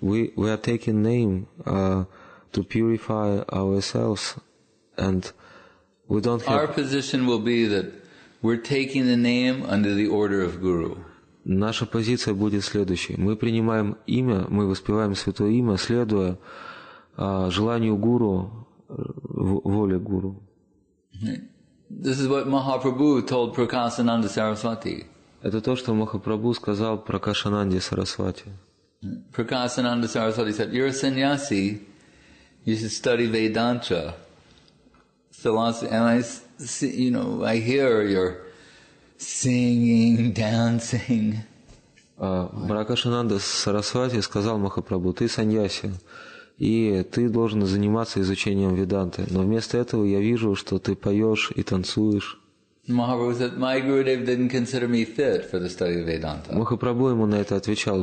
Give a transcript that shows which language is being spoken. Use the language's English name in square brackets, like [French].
[English] We are taking name to purify ourselves, and we don't have... Our position will be that we're taking the name under the order of Guru. [Russian] Наша позиция будет следующей. Мы принимаем имя, мы воспеваем святое имя, следуя желанию Гуру, воле Гуру. [English] This is what Mahaprabhu told Prakashananda Saraswati. [Russian] Это то, что Махапрабху сказал Пракашананде Сарасвати. [English] Prakashananda Saraswati said, "You're a sannyasi. You should study Vedanta philosophy." And I, you know, I hear your singing, dancing. [Russian] Пракашананда Сарасвати сказал Махапрабху, "Ты сannyasi." И ты должен заниматься изучением веданты. Но вместо этого я вижу, что ты поешь и танцуешь. Махапрабху ему на это отвечал.